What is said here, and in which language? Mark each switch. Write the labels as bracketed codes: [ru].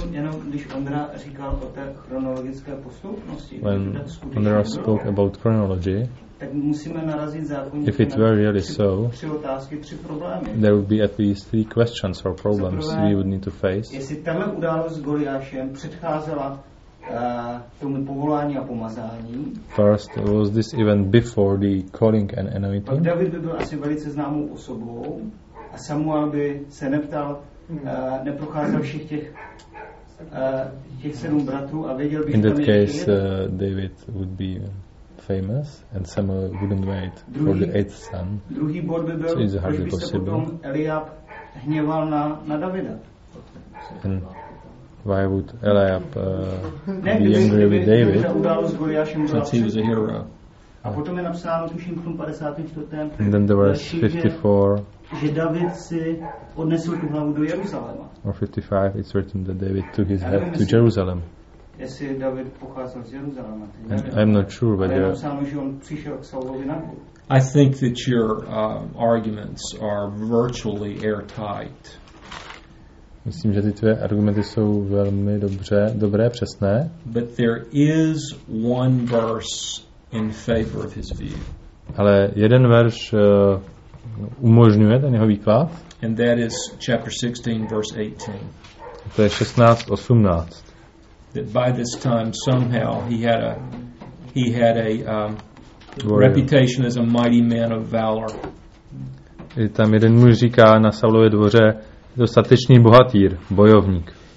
[en] When Ondra spoke about chronology, if it were really so, there would be at least three questions or problems we would need to face. [cs] Jestli tahle událost s Goliášem předcházela tomu povolání a pomazání. [en] First, was this event before the calling and anointing? [cs] Pak David by byl asi velice známou osobou a Samuel by se neptal, neprocházel všech těch sedm bratrů a věděl by, že [en] in that case, David would be famous and Samuel wouldn't wait for the eighth son. [cs] Druhý bod by byl, [en] so it's hardly possible. [cs] Proč by se potom Eliab hněval na Davida? [en] Why would Eliab be angry with David? Since he was a hero. [cs] A potom je napsáno, tuším, v tom 54. [en] And then there was 54. [cs] Že David si odnesl tu hlavu do Jeruzaléma. [en] Or 55, it's written that David took his head to Jerusalem. [cs] Jestli David pocházel z Jeruzaléma. [en] I'm not sure, but [cs] yeah. Ale je napsáno, že on přišel k Saulovi na hlavu. [en] I think that your arguments are virtually airtight. [cs] Myslím, že ty tvé argumenty jsou velmi dobré, přesné. [en] But there is one verse in favor of his view. [cs] Ale jeden verš umožňuje ten jeho výklad. [en] And that is chapter 16, verse 18. [cs] To je 16:18. [en] That by this time somehow he had a reputation as a mighty man of valor. [cs] Je tam jeden muž říká na Saulově dvoře, dostatečný bohatýr, bojovník.